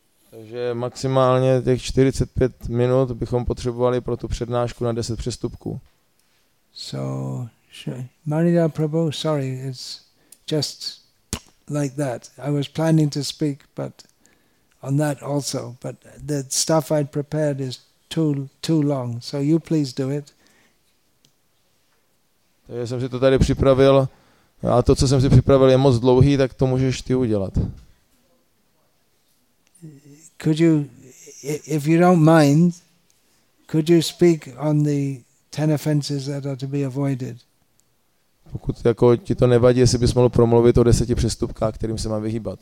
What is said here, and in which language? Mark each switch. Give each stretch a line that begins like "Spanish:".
Czech: Takže maximálně těch 45 minut bychom potřebovali pro tu přednášku na 10 přestupků.
English: So, Manidhar Prabhu, sorry, it's just like that. I was planning to speak but on that also, but the stuff I'd prepared is too long. So you please do it.
Czech: Takže jsem si to tady připravil a to, co jsem si připravil, je moc dlouhý, tak to můžeš ty udělat.
English: Could you, if you don't mind, could you speak on the 10 offenses that are to be avoided?
Czech: Pokud jako ti to nevadí, jestli bys mohl promluvit o 10 přestupkách, kterým se má vyhýbat.